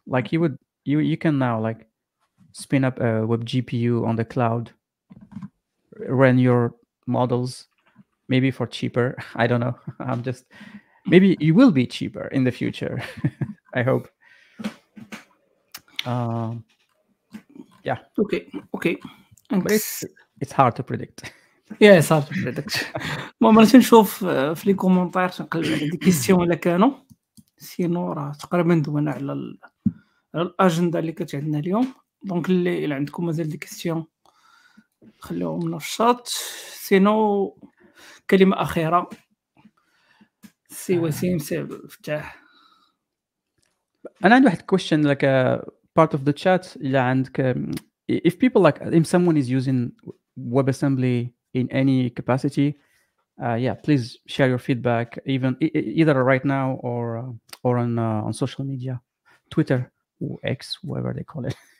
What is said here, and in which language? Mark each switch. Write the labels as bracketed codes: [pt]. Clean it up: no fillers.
[en] Like you can now like spin up a web GPU on the cloud, run your models, maybe for cheaper. I don't know. maybe you will be cheaper in the future. I hope. Yeah. Okay. It's hard to predict. Yeah, it's hard to predict. [ar] ما نسي نشوف في لي كومونتير نقلب على دي كيستيون ولا كانوا سينو راه تقريبا دوينا على الاجنده اللي كانت عندنا اليوم دونك اللي الى عندكم مازال دي كيستيون خليهم لنا في الشات سينو كلمه اخيره سي وسيم سي فتح انا عندي واحد كويشن لك بارت اوف ذا شات الى عندك [en] if people like if someone is using WebAssembly in any capacity yeah please share your feedback even either right now or on social media Twitter X whatever they call it